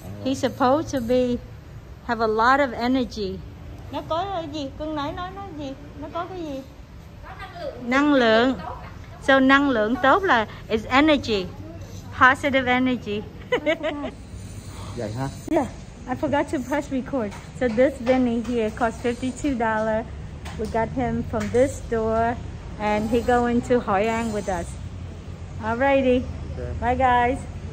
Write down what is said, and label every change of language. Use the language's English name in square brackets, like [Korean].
[English] He's supposed to be have a lot of energy. [Vietnamese] Nó có cái gì? Cưng nãy nói gì? Nó có cái gì? Có năng lượng. Năng lượng. So năng lượng tốt là [English] is energy. Positive energy. Yeah, I forgot to press record. So this Vinny here cost $52. We got him from this store and he going to Hội An with us. Alrighty. Okay. Bye guys.